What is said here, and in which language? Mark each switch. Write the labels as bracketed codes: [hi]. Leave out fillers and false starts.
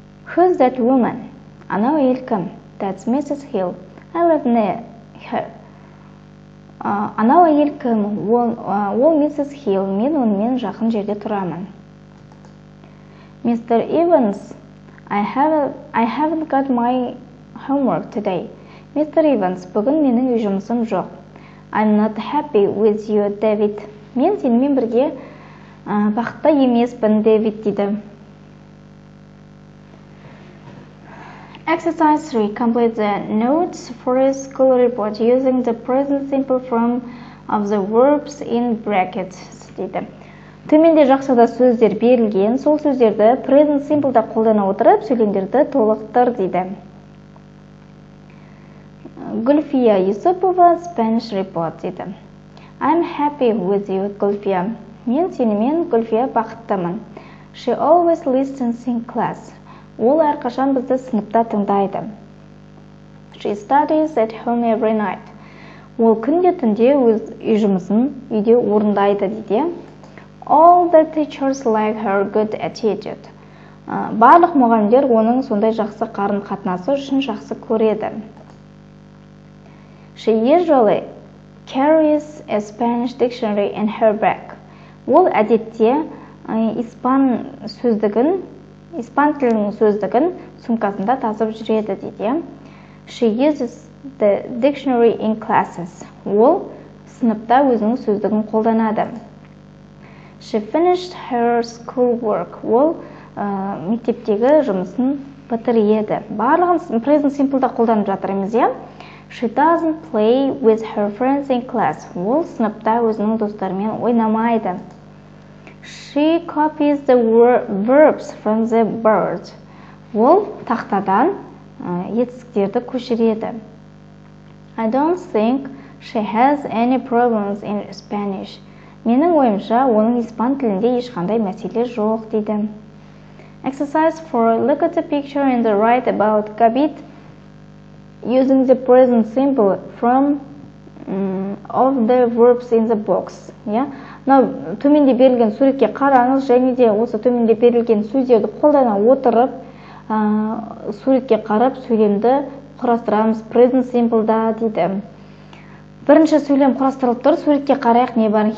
[en] Who's that woman? [kk] Анау әйел кім? [en] That's Mrs. Hill. I live near her. [kk] Анау әйел кім? Ол Mrs. Hill. Мен онымен жақын жерде тұрамын. [en] Mr. Evans, I haven't got my homework today. Mr. [kk] Evans, бүгін менің үй жұмысым жоқ. [en] I'm not happy with you, David. [kk] Мен сенімен бірге бақытта емеспін, David дейді. [en] Exercise 3. Complete the notes for a school report using the present simple form of the verbs in brackets дейді. [kk] Төменде жақсада сөздер берілген, сол сөздерді present simple-да қолдана отырып, сөйлемдерді толықтыр дейді. Гүлфия Юсупова Spanish report дейді. [en] I'm happy with you, Гүлфия. [kk] Мен сенімен, Гүлфия, бақыттымын. [en] She always listens in class. [kk] Ол әрқашан бізді сыныпта тыңдайды. [en] She studies at home every night. [kk] Ол күнде түнде өз үй жұмысын үйде орындайды дейді. [en] All the teachers like her good attitude. [kk] Барлық мұғалімдер оның сондай жақсы қарым-қатынасы үшін жақсы көреді. [en] She usually carries a Spanish dictionary in her bag. [kk] Ол әдетте испан тілінің сөздігін сумкасында тасып жүреді дейді. [en] She uses the dictionary in classes. [kk] Ол сыныпта өзінің сөздігін қолданады. [en] She finished her school work. [kk] Ол мектептегі жұмысын бітіреді. Барлығын present simple-да қолданып жатырмыз, иә? [en] She doesn't play with her friends in class. [kk] Ол сыныпта өзінің достарымен ойнамайды. [en] She copies the verbs from the board. [kk] Ол тақтадан етістіктерді көшіреді. [en] I don't think she has any problems in Spanish. [kk] Менің ойымша, оның испан тілінде ешқандай мәселе жоқ дейді. [en] Exercise 4. Look at the picture and write about Gabit using the present simple from of the verbs in the box. [kk] Мынау төменде берілген суретке қараңыз және де осы төменде берілген сөздерді қолдана отырып, суретке қарап сөйлемді құрастырамыз present simple-да дейді. Бірінші сөйлем құрастырылып тұр, суретке қарайық не бар?